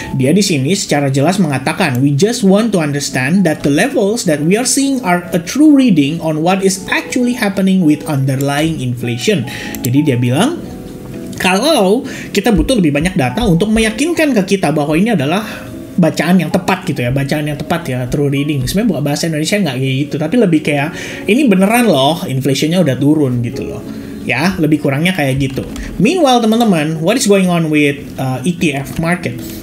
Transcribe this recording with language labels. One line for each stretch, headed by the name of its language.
Indonesian: Dia di sini secara jelas mengatakan,
English: "We just want to understand that the levels that we are seeing are a true reading on what is actually happening with underlying inflation."
Indonesian: Jadi dia bilang, kalau kita butuh lebih banyak data untuk meyakinkan ke kita bahwa ini adalah bacaan yang tepat gitu ya, bacaan yang tepat ya,
English: true reading.
Indonesian: Sebenarnya buat bahasa Indonesia nggak kayak gitu, tapi lebih kayak ini beneran loh, inflationnya udah turun gitu loh. Ya, lebih kurangnya kayak gitu.
English: Meanwhile,
Indonesian: teman-teman,
English: what is going on with ETF market?